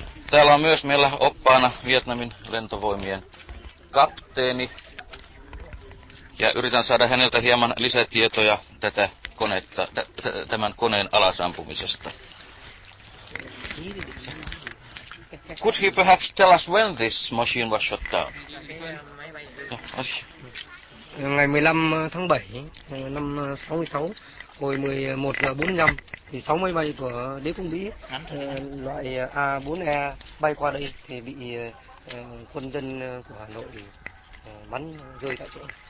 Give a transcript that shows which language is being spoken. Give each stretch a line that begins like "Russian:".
Finnish: Täällä on myös meillä oppaana Vietnamin lentovoimien kapteeni. Ja yritän saada häneltä hieman lisätietoja tätä konetta, tämän koneen alasampumisesta.
English: Could he perhaps tell us when this machine was shot down?
Vietnamese: Ngày 15 tháng 7 năm 66 hồi 11:45 thì 6 máy bay của đế quốc Mỹ loại A4E bay qua đây thì bị quân dân của Hà Nội bắn rơi tại chỗ.